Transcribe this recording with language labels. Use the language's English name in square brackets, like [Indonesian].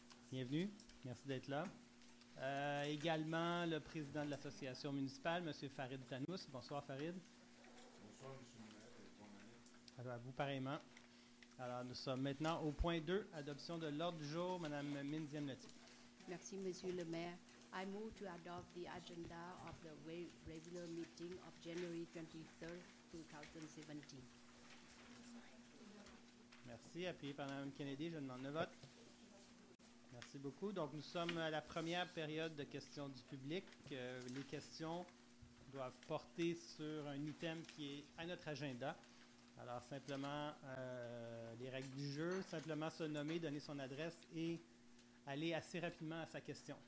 [French] Bienvenue, merci d'être là. Également le président de l'association municipale, M. Farid Tanous. Bonsoir Farid. Bonsoir M. Maire, bonne année. À vous pareillement. Alors nous sommes maintenant au point 2, adoption de l'ordre du jour, Mme Minziam Lotti. Merci M. le maire. [English] I move to adopt the agenda of the regular meeting of January 23, 2017. [French] Merci. Appuyé par Mme Kennedy, je demande le vote. Merci beaucoup. Donc, nous sommes à la première période de questions du public. Les questions doivent porter sur un item qui est à notre agenda. Alors, simplement, les règles du jeu, simplement se nommer, donner son adresse et aller assez rapidement à sa question.